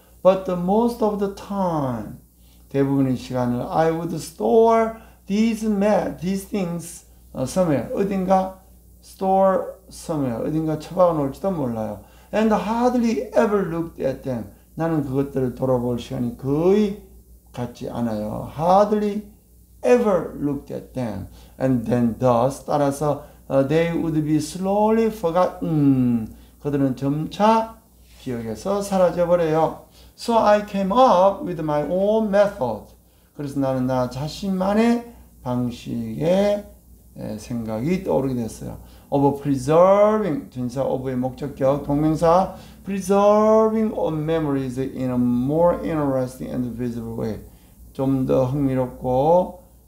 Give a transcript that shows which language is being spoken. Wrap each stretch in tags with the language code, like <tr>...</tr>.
<en>But the most of the time,</en> <ko>대부분의 시간을</ko> <en>I would store these things somewhere,</en> <ko>어딘가</ko> <en>store somewhere,</en> <ko>어딘가 처박아 놓을지도 몰라요.</ko> <en>And hardly ever looked at them.</en> <ko>나는 그것들을 돌아볼 시간이 거의 갖지 않아요.</ko> <en>Hardly ever looked at them. And then thus,</en> <ko>따라서</ko> <en>they would be slowly forgotten.</en> <ko>그들은 점차 기억에서 사라져버려요.</ko> <en>So I came up with my own method.</en> <ko>그래서 나는 나 자신만의 방식의 생각이 떠오르게 됐어요.</ko> <en>Of preserving,</en> <ko>전사 of의 목적격, 동명사</ko> <en>preserving of memories in a more interesting and visible way.</en> <ko>좀 더 흥미롭고</ko>